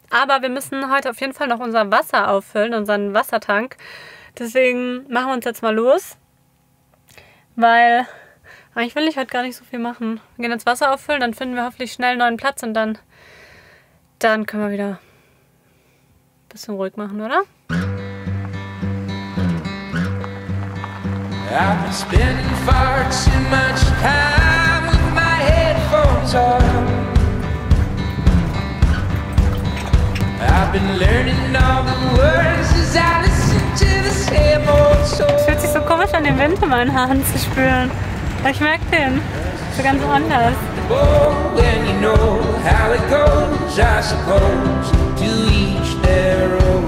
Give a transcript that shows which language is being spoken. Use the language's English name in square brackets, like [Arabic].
[German] Aber wir müssen heute auf jeden Fall noch unser Wasser auffüllen, unseren Wassertank. Deswegen machen wir uns jetzt mal los. Weil eigentlich will ich heute gar nicht so viel machen. Wir gehen jetzt Wasser auffüllen, dann finden wir hoffentlich schnell einen neuen Platz und dann können wir wieder ein bisschen ruhig machen, oder? [English] I've been spending far too much time with my headphones on. I've been learning all the words as I listen to the same old song. [German] Es fühlt sich so komisch an, den Wind in meinen Haaren zu spüren. Ich merke den. So ganz anders. [English] Oh, and you know how it goes, I suppose, to each their own.